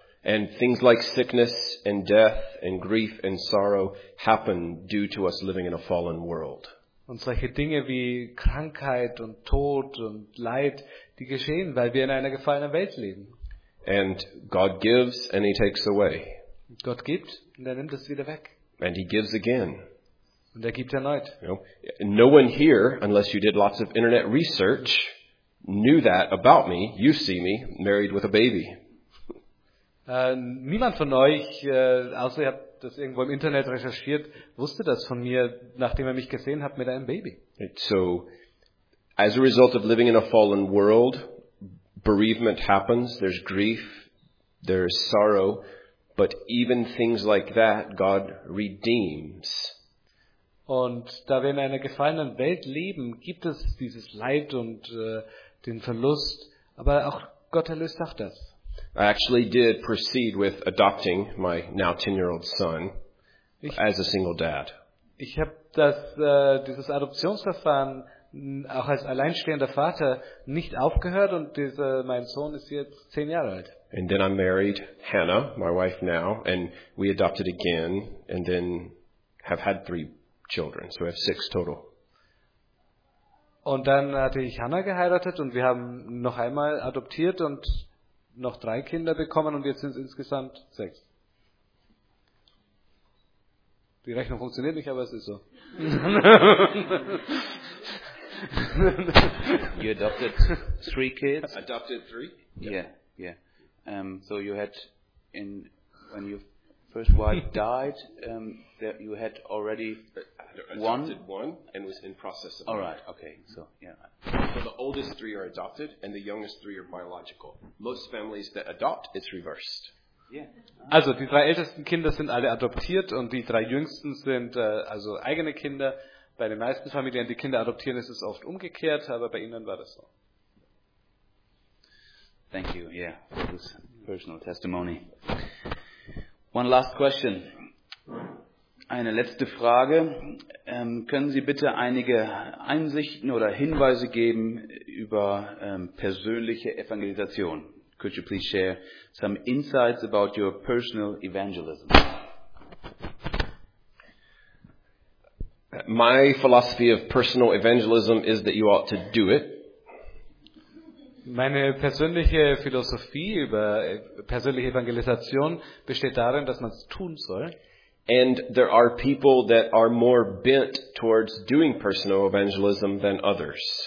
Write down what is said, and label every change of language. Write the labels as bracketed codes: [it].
[en] And things like sickness and death and grief and sorrow happen due to us living in a fallen world. [de] Und solche Dinge wie Krankheit und Tod und Leid, die geschehen, weil wir in einer gefallenen Welt leben. [en] And God gives and he takes away. [de] Gott gibt und er nimmt es wieder weg. [en] And he gives again. [de] Und er gibt erneut. [en] You know, no one here, unless you did lots of internet research, knew that about me. You see me married with a baby. [de] Niemand von euch, außer ihr habt das irgendwo im Internet recherchiert, wusste das von mir, nachdem er mich gesehen hat mit einem Baby. [en] So, as a result of living in a fallen world, bereavement happens. There's grief, there's sorrow. But even things like that, God redeems. [de] Und da wir in einer gefallenen Welt leben, gibt es dieses Leid und den Verlust, aber auch Gott erlöst auch das. [en] I actually did proceed with adopting my now 10-year-old son as a single dad. [de] Ich habe dieses Adoptionsverfahren auch als alleinstehender Vater nicht aufgehört und mein Sohn ist jetzt 10 Jahre alt. [en] And then I married Hannah, my wife now, and we adopted again and then have had 3 children, so we have 6 total. [de] Und dann hatte ich Hannah geheiratet und wir haben noch einmal adoptiert und noch 3 Kinder bekommen und jetzt sind es insgesamt 6. Die Rechnung funktioniert nicht, aber es ist so. [en] You adopted 3 kids? Adopted 3? Yeah. So you had, when your first wife died, that you had already adopted one and was in process of. All right, okay. So, yeah. So the oldest 3 are adopted and the youngest 3 are biological. Most families that adopt, it's reversed. Yeah. [de] Also, die 3 ältesten Kinder sind alle adoptiert und die 3 jüngsten sind also eigene Kinder. Bei den meisten Familien, die Kinder adoptieren, ist es oft umgekehrt, aber bei ihnen war das so. [en] Thank you. Yeah, for this personal testimony. One last question. [de] Eine letzte Frage. Können Sie bitte einige Einsichten oder Hinweise geben über persönliche Evangelisation? [en] Could you please share some insights about your personal evangelism? My philosophy of personal evangelism is that you ought to do it. [de] Meine persönliche Philosophie über persönliche Evangelisation besteht darin, dass man es tun soll. [en] And there are people that are more bent towards doing personal evangelism than others.